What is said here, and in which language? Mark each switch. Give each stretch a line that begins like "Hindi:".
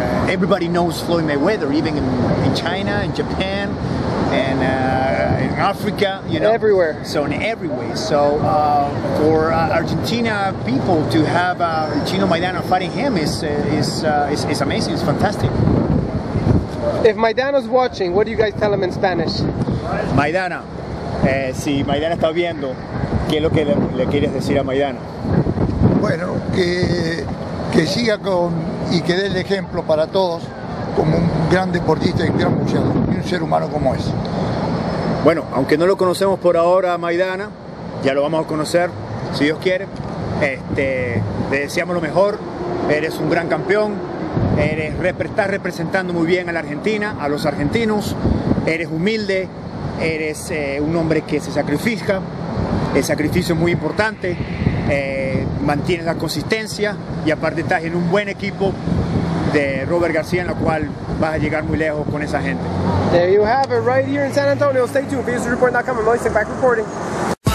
English: Everybody knows Floyd Mayweather, even in China, in Japan, and in Africa, you know. Everywhere. So in every way. So for Argentina people to have Chino Maidana fighting him is amazing. It's fantastic. If Maidana's watching, what do you guys tell him in Spanish? Maidana.
Spanish: Si Maidana está viendo, ¿qué es lo que le quieres decir a Maidana? Bueno, que siga con y que dé el ejemplo para todos como un gran deportista y un gran boxeador y un ser humano como es. Bueno, aunque no lo conocemos por ahora a Maidana, ya lo vamos a conocer, si Dios quiere. Le deseamos lo mejor, eres un gran campeón, estás representando muy bien a la Argentina, a los argentinos, eres humilde. Eres un hombre que se sacrifica, el sacrificio es muy importante, mantienes la consistencia y aparte estás en un buen equipo de Robert García en la cual vas a llegar muy lejos con esa gente.
English: There you have it right here in San Antonio. Stay tuned, visitreport.com, I'm always back reporting.